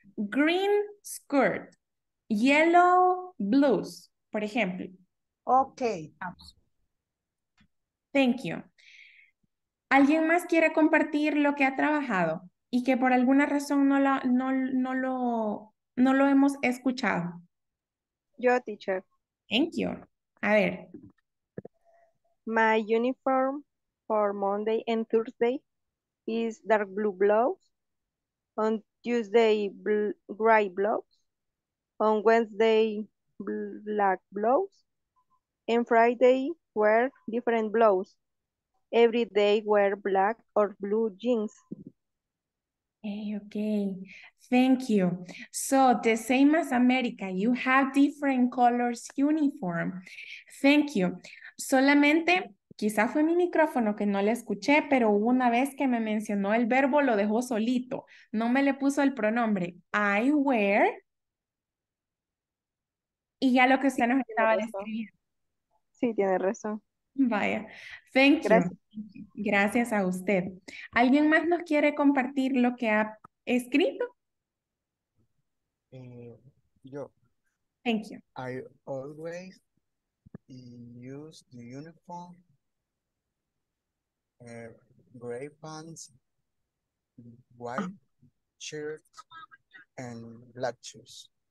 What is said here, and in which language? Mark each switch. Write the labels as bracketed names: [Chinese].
[English] Green skirt, yellow blues, [Spanish] por ejemplo. [English] Ok. Thank you. [Spanish] ¿Alguien más quiere compartir lo que ha trabajado y que por alguna razón no lo hemos escuchado? Yo, teacher. [English] Thank you. [Spanish] A ver. [English] My uniform for Monday and Thursday is dark blue blouse. On Tuesday, gray blouse. On Wednesday, black blouse. And Friday, wear different blouse. Every day, wear black or blue jeans. Okay. Thank you. So, the same as America, you have different colors uniform. Thank you. [Spanish] Solamente, quizá fue mi micrófono que no le escuché, pero una vez que me mencionó el verbo, lo dejó solito. No me le puso el pronombre. [English] I wear. [Spanish] Y ya lo que usted nos estaba describiendo. Sí, tiene razón. Vaya. [English] Thank you. [Spanish] Gracias a usted. ¿Alguien más nos quiere compartir lo que ha escrito? Yo. [English] Thank you. I always use the uniform, gray pants, white shirt, and black shoes.